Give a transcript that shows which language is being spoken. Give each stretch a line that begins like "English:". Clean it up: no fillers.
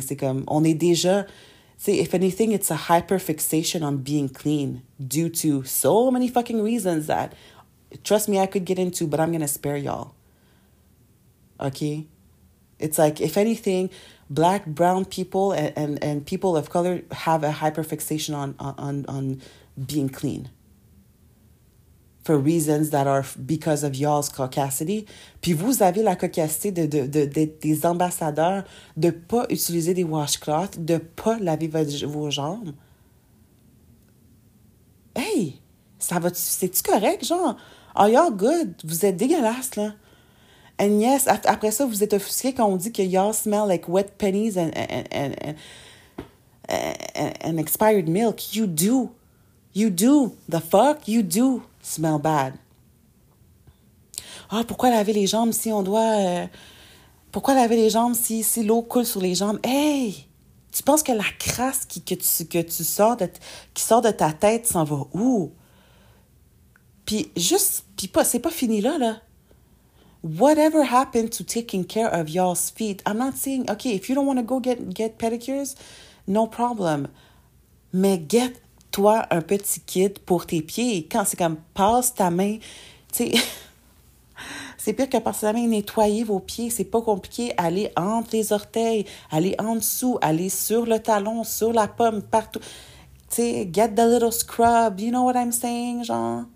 French: C'est comme, on est déjà...
English: See, if anything, it's a hyper-fixation on being clean due to so many fucking reasons that, trust me, I could get into, but I'm gonna spare y'all. Okay? It's like, if anything... Black, brown people and people of color have a hyperfixation on being clean. For reasons that are because of y'all's caucasity.
French: Puis vous avez la caucasité des ambassadeurs de pas utiliser des washcloths, de pas laver vos jambes. Hey, ça va, c'est-tu correct, genre?
English: Are y'all good?
French: Vous êtes dégueulasse, là.
English: And yes,
French: après ça, vous êtes offusqué quand on dit que
English: y'all smell like wet pennies and expired milk. You do. You do. The fuck? You do smell bad.
French: Ah, pourquoi laver les jambes si on doit... pourquoi laver les jambes si l'eau coule sur les jambes? Hey! Tu penses que la crasse que tu sors de qui sort de ta tête s'en va où? Puis juste... Puis pas, c'est pas fini là.
English: Whatever happened to taking care of y'all's feet? I'm not saying, okay, if you don't want to go get pedicures, no problem.
French: Mais get-toi un petit kit pour tes pieds. Quand c'est comme, passe ta main, tu sais, c'est pire que passer ta main, nettoyer vos pieds, c'est pas compliqué. Aller entre les orteils, aller en dessous, aller sur le talon, sur la pomme, partout. Tu sais,
English: get the little scrub, you know what I'm saying, genre?